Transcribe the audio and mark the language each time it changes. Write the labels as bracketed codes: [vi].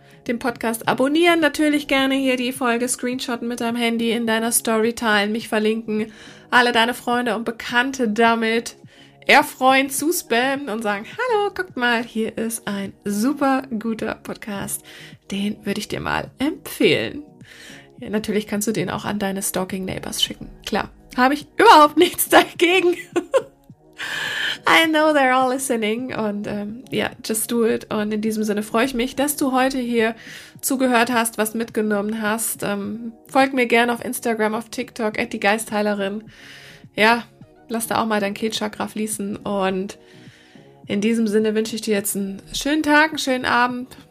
[de] Den Podcast abonnieren, natürlich gerne hier die Folge screenshotten mit deinem Handy, in deiner Story teilen, mich verlinken, alle deine Freunde und Bekannte damit erfreuen, zuspammen und sagen, hallo, guckt mal, hier ist ein super guter Podcast, den würde ich dir mal empfehlen. Ja, natürlich kannst du den auch an deine Stalking-Neighbors schicken, klar, habe ich überhaupt nichts dagegen. [en] I know they're all listening [de] und ja, [en] just do it. [de] Und in diesem Sinne freue ich mich, dass du heute hier zugehört hast, was mitgenommen hast. Folg mir gerne auf Instagram, auf TikTok, @diegeistheilerin. Ja, lass da auch mal dein Kehlchakra fließen. Und in diesem Sinne wünsche ich dir jetzt einen schönen Tag, einen schönen Abend.